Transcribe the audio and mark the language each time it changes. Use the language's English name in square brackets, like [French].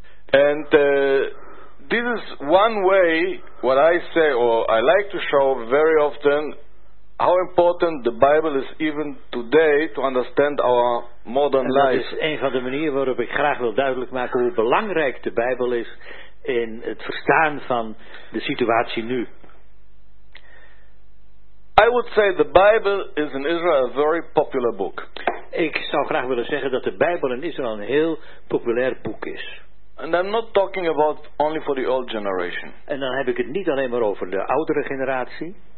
[English] And this is one way what I say, or I like to show very often, how important the Bible is even today to understand our modern life. [Dutch] Dat is een van de manieren waarop ik graag wil duidelijk maken hoe belangrijk de Bijbel is in het verstaan van de situatie nu. [English] I would say the Bible is in Israel a very popular book. [Dutch] Ik zou graag willen zeggen dat de Bijbel in Israël een heel populair boek is. [English] And I'm not talking about only for the old generation. [Dutch] En dan heb ik het niet alleen maar over de oudere generatie.